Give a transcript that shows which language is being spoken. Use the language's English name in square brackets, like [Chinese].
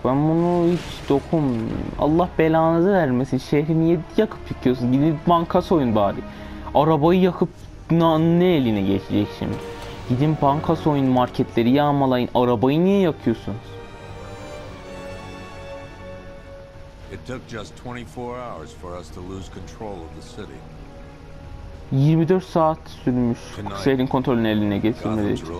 [Turkish] Ben bunu hiç dokunmuyorum. Allah belanızı vermesin. Şehri niye yakıp yıkıyorsun? Gidip banka soyun bari. Arabayı yakıp ne eline geçecek şimdi? Gidin banka soyun, marketleri yağmalayın. Arabayı niye yakıyorsunuz? [English] It took just 24 hours for us to lose control of the city. [Turkish] 24 saat sürmüş. Şehrin kontrolünü eline geçirmeleri.